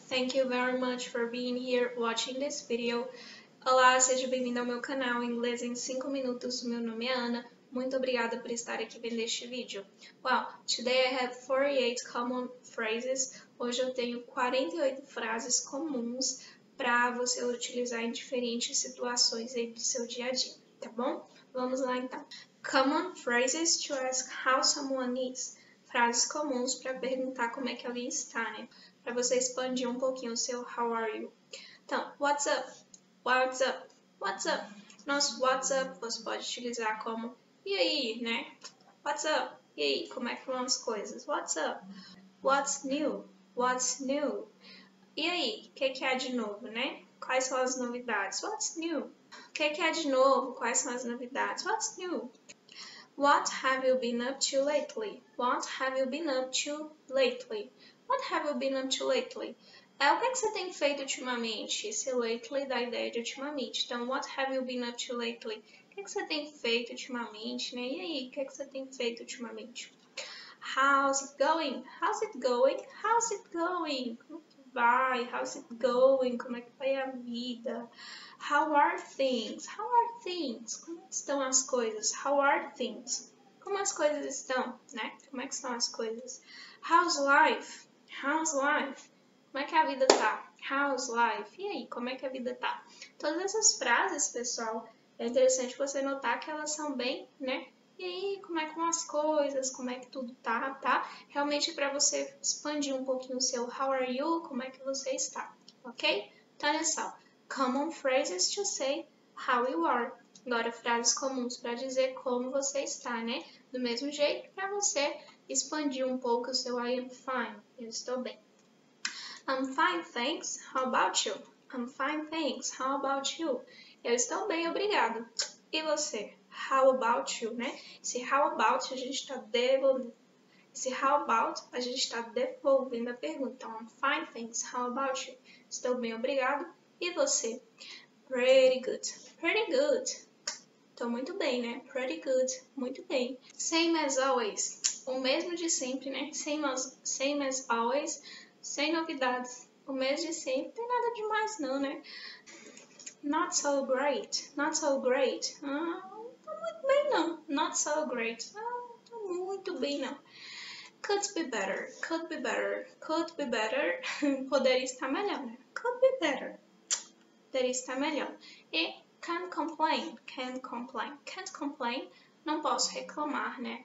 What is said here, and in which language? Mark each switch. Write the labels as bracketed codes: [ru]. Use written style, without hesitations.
[en] Thank you very much for being here watching this video. [pt] Olá, seja bem-vindo ao meu canal Inglês em 5 minutos. Meu nome é Ana. Muito obrigada por estar aqui vendo este vídeo. [en] Well, today I have 48 common phrases. [pt] Hoje eu tenho 48 frases comuns para você utilizar em diferentes situações aí do seu dia a dia, tá bom? Vamos lá então. [en] Common phrases to ask how someone is. [pt] Frases comuns para perguntar como é que alguém está, né? Para você expandir um pouquinho o seu [en] how are you. [pt] Então, [en] what's up? What's up? What's up? [pt] Nosso [en] what's up [pt] você pode utilizar como e aí, né? [en] What's up? [pt] E aí, como é que vão as coisas? [en] What's up? What's new? What's new? [pt] E aí, o que, que é de novo, né? Quais são as novidades? [en] What's new? [pt] O que, que é de novo? Quais são as novidades? [en] What's new? What have you been up to lately? What have you been up to lately? What have you been up to lately? [pt] É o que, é que você tem feito ultimamente? Esse lately dá a ideia de ultimamente. [en] Então, what have you been up to lately? [pt] O que, é que você tem feito ultimamente? Né? E aí, o que, é que você tem feito ultimamente? [en] How's it going? How's it going? How's it going? [pt] Vai, [en] how's it going? [pt] Como é que vai a vida? [en] How are things? How are things? [pt] Como estão as coisas? [en] How are things? [pt] Como as coisas estão, né? Como é que estão as coisas? [en] How's life? How's life? [pt] Como é que a vida tá? [en] How's life? [pt] E aí, como é que a vida tá? Todas essas frases, pessoal, é interessante você notar que elas são bem, né? E aí, como é que vão as coisas, como é que tudo tá, tá? Realmente para você expandir um pouquinho o seu [en] how are you, [pt] como é que você está, ok? Então, olha só. [en] Common phrases to say how you are. [pt] Agora, frases comuns para dizer como você está, né? Do mesmo jeito para você expandir um pouco o seu [en] I am fine. [pt] Eu estou bem. [en] I'm fine, thanks. How about you? I'm fine, thanks. How about you? [pt] Eu estou bem, obrigado. E você? [en] How about you, [pt] né? Esse how about a gente está devolvendo. Esse how about a gente está devolvendo a pergunta. [en] Então, I'm fine, thanks. How about you? [pt] Estou bem, obrigado. E você? [en] Pretty good. Pretty good. [pt] Estou muito bem, né? [en] Pretty good. [pt] Muito bem. [en] Same as always. [pt] O mesmo de sempre, né? [en] Same as always. [pt] Sem novidades. O mesmo de sempre. Tem nada demais, não, né? [en] Not so great. Not so great. [pt] Bem não, [en] not so great, [pt] não, muito bem não. [en] Could be better, could be better, could be better, [pt] poderia estar melhor, né? [en] Could be better, [pt] poderia estar melhor. [en] E can't complain, can't complain, can't complain, [pt] não posso reclamar, né?